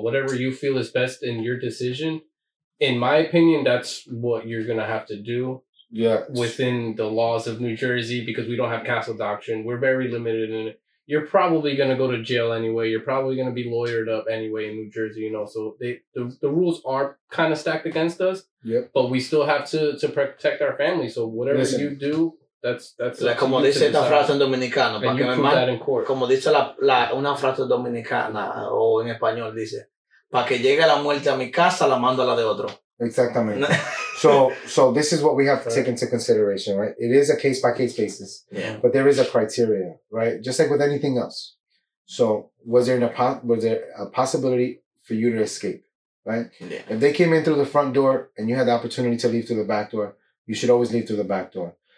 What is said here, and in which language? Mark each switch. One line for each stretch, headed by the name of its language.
English: Whatever you feel is best in your decision, in my opinion, that's what you're going to have to do within the laws of New Jersey because we don't have Castle Doctrine. We're very limited in it. You're probably going to go to jail anyway. You're probably going to be lawyered up anyway in New Jersey, you know. So the rules are kind of stacked against us, but we still have to protect our family. So whatever you do... That's
Spanish: como dice esta frase en dominicano, para que me manden, como dice una frase dominicana o en español dice, para que llegue la muerte a mi casa, la mando a la de otro. Exactamente.
English: So this is what we have to take into consideration, right? It is a case by case basis. Yeah. But there is a criteria, right? Just like with anything else. So, was there a possibility for you to escape, right? Yeah. If they came in through the front door and you had the opportunity to leave through the back door, you should always leave through the back door.